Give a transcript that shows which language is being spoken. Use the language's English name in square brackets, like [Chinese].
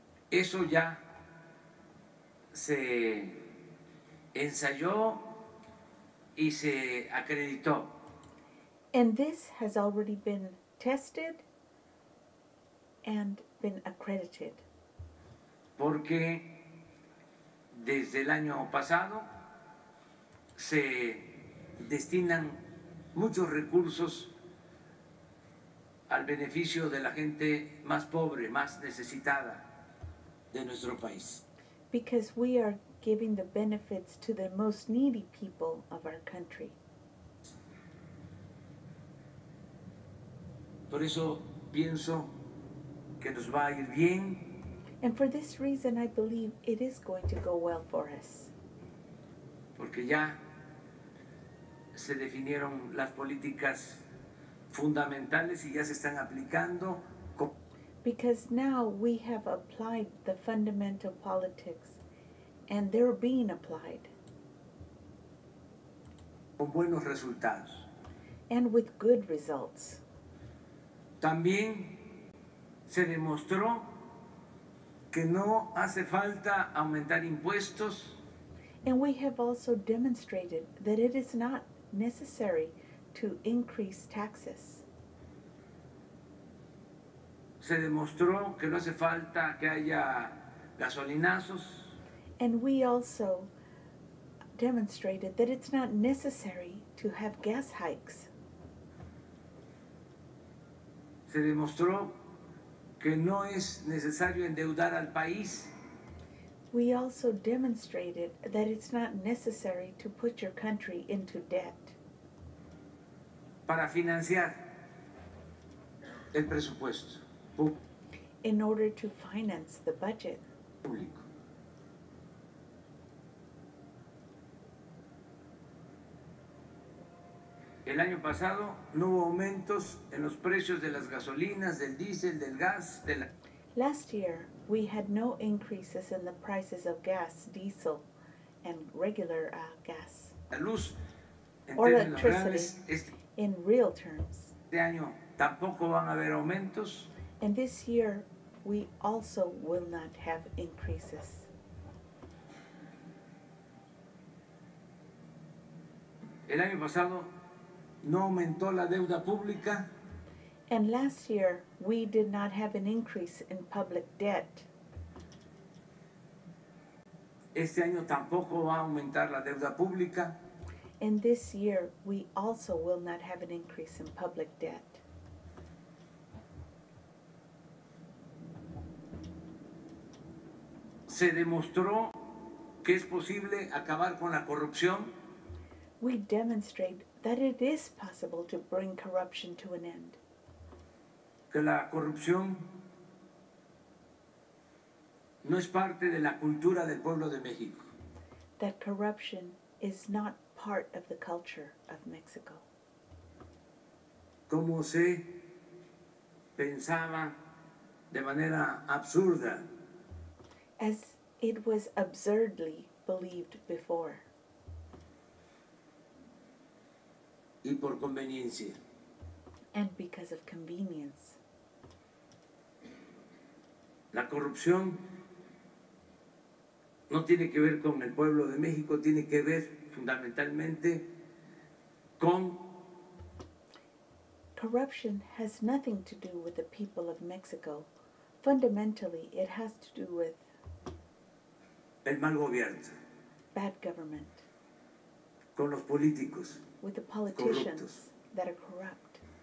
[Spanish] Eso ya se ensayó y se acreditó. [English] And this has already been tested and been accredited. [Spanish] Porque desde el año pasado se destinan muchos recursos al beneficio de la gente más pobre, más necesitada. De nuestro país. [English] Because we are giving the benefits to the most needy people of our country. [Spanish] Por eso pienso que nos va a ir bien. [English] And for this reason, I believe it is going to go well for us. [Spanish] Porque ya se definieron las políticas fundamentales y ya se están aplicando. [English] Because now we have applied the fundamental politics and they're being applied. [Spanish] Con buenos resultados. [English] And with good results. [Spanish] También se demostró que no hace falta aumentar impuestos. [English] And we have also demonstrated that it is not necessary to increase taxes. [Spanish] Se demostró que no hace falta que haya gasolinazos. [English] And we also demonstrated that it's not necessary to have gas hikes. [Spanish] Se demostró que no es necesario endeudar al país. [English] We also demonstrated that it's not necessary to put your country into debt. [Spanish] Para financiar el presupuesto. [English] In order to finance the budget. [Spanish] Público. El año pasado no hubo aumentos en los precios de las gasolinas, del diésel, del gas, de la... [English] Last year, we had no increases in the prices of gas, diesel, and regular gas. [Spanish] La luz, [English] or electricity, in real terms. [Spanish] Este año tampoco van a haber aumentos. [English] And this year, we also will not have increases. [Spanish] El año pasado no aumentó la deuda pública. [English] And last year, we did not have an increase in public debt. [Spanish] Este año tampoco va a aumentar la deuda pública. [English] And this year, we also will not have an increase in public debt. [Spanish] Se demostró que es posible acabar con la corrupción. [English] We demonstrate that it is possible to bring corruption to an end. [Spanish] Que la corrupción no es parte de la cultura del pueblo de México. [English] That corruption is not part of the culture of Mexico. [Spanish] Como se pensaba de manera absurda. [English] As it was absurdly believed before. [Spanish] Y por conveniencia. [English] And because of convenience. [Spanish] La corrupción no tiene que ver con el pueblo de México, tiene que ver fundamentalmente con... [English] Corruption has nothing to do with the people of Mexico. Fundamentally, it has to do with... [Spanish] El mal gobierno. [English] Bad government. [Spanish] Con los políticos. [English] With the politicians that are corrupt.